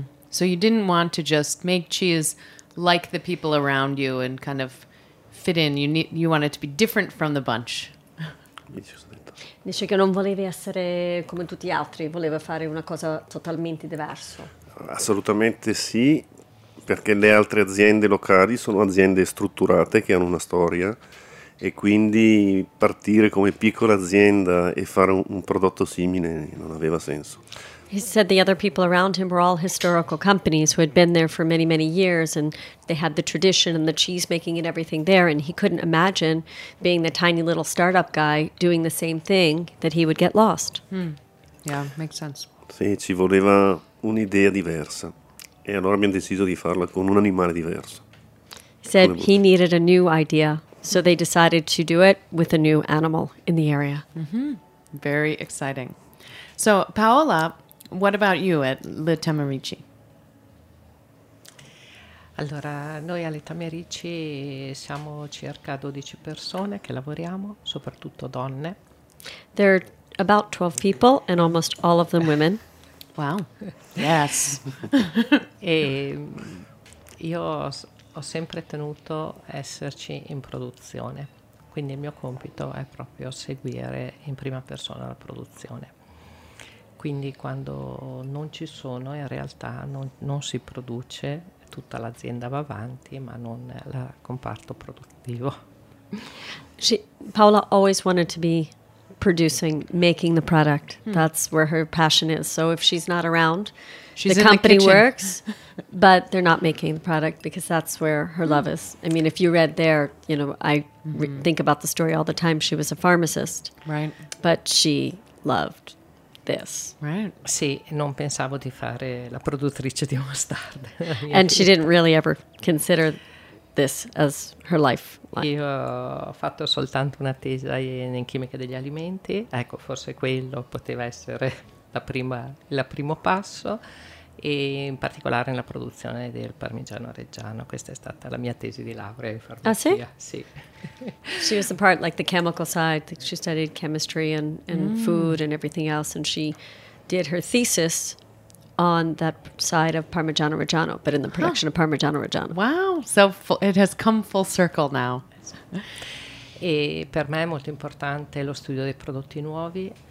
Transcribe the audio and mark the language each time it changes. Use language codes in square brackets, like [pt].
[en] So you didn't want to just make cheese like the people around you and kind of fit in. You want it to be different from the bunch. [it] Dice che non voleva essere come tutti gli altri, voleva fare una cosa totalmente diversa. Assolutamente sì, perché le altre aziende locali sono aziende strutturate che hanno una storia, e quindi partire come piccola azienda e fare un prodotto simile non aveva senso. [en] He said the other people around him were all historical companies who had been there for many, many years, and they had the tradition and the cheese making and everything there, and he couldn't imagine being the tiny little startup guy doing the same thing, that he would get lost. Yeah, makes sense. [it] Sì, ci voleva un'idea diversa, e allora abbiamo deciso di farla con un animale diverso. [en] He said he needed a new idea, so they decided to do it with a new animal in the area. Mm-hmm. Very exciting. So, Paola, what about you at Le Tamerici? [it] Allora, noi a Le Tamerici siamo circa 12 persone che lavoriamo, soprattutto donne. [en] There are about 12 people and almost all of them women. Wow. Yes. [it] E io ho sempre tenuto esserci in produzione, quindi il mio compito è proprio seguire in prima persona la produzione. Quindi quando non ci sono, in realtà non si produce, tutta l'azienda va avanti, ma non il comparto produttivo. [en] Paola always wanted to be producing, making the product. That's where her passion is. So if she's not around, she's the company the works, but they're not making the product because that's where her love is. I mean, if you read there, you know, I think about the story all the time. She was a pharmacist, right? But she loved this. Right. [it] Sì, non pensavo di fare la produttrice di mostarda. [en] And she didn't really ever consider this as her life. [it] Io ho fatto soltanto una tesi in chimica degli alimenti. Ecco, forse quello poteva essere il primo passo. E in particolare nella produzione del parmigiano reggiano, questa è stata la mia tesi di laurea in farmacia. Ah, sì? Sì. [en] She was the part like the chemical side. She studied chemistry and food and everything else, and she did her thesis on that side of parmigiano reggiano, but in the production of parmigiano reggiano. Wow, so it has come full circle now. [it] E per me è molto importante lo studio dei prodotti nuovi.